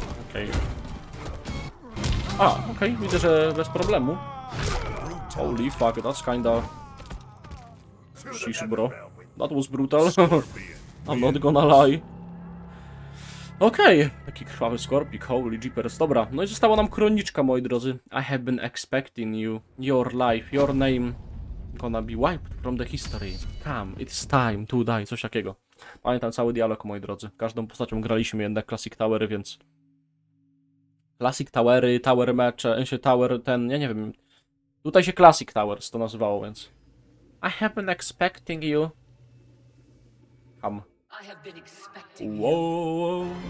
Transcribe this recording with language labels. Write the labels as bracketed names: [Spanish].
[Polish] Okej. A, okej. Widzę, że bez problemu. [English] Holy fuck, that's kinda... Shish, bro. That was brutal. I'm not gonna lie. Okej, okay. [Polish] Taki krwawy skorpik, [English] holy jeepers. [Polish] Dobra, no i została nam kroniczka, moi drodzy. [English] I have been expecting you. Your life, your name gonna be wiped from the history. Come, it's time to die. [Polish] Coś takiego. Pamiętam cały dialog, moi drodzy. Każdą postacią graliśmy jednak Classic Towery, więc... Classic Towery, Tower Match, Tower ten, ja nie wiem. Tutaj się Classic Towers to nazywało, więc... [English] I have been expecting you. I have been expecting you.